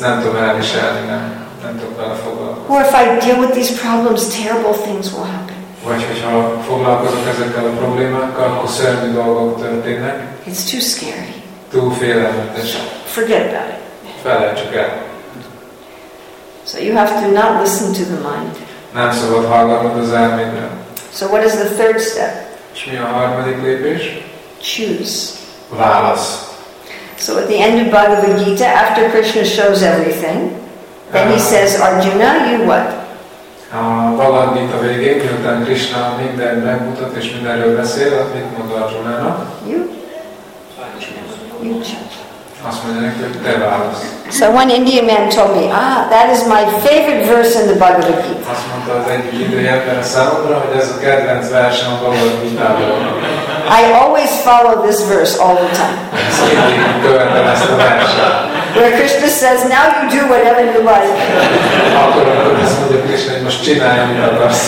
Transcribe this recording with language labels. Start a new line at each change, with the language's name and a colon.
Hungarian: Nem tudom elviselni, nem tudok vele foglalkozni.
English: Or if I deal with these problems, terrible things will happen.
Hungarian: Vagy hogyha foglalkozok ezekkel a problémákkal, akkor szörnyű dolgok történnek.
English: It's too scary.
Hungarian: Túl félelmetes.
English: Forget about it.
Hungarian: Felejtsük el.
English: So you have to not listen to the mind.
Hungarian: Nem szabad hallgatnod az elmédre.
English: So what is the third step?
Hungarian: És mi a harmadik lépés?
English: Choose.
Hungarian: Válasz.
English: So at the end of Bhagavad Gita, after Krishna shows everything, then he says, Arjuna, you what?
Hungarian: A Bhagavad Gita végén, miután Krishna minden megmutat és mindenről beszél, mit mond Arjunának?
English: You choose.
Hungarian: Azt mondja neki, hogy te válasz.
English: So one Indian man told me, that is my favorite verse in the Bhagavad Gita.
Hungarian: Azt mondta az egyik indiai ember számomra, hogy ez a kedvenc verse a Bhagavad Gita-ban.
English: I always follow this verse all the time. Where Krishna says, now you do whatever you like.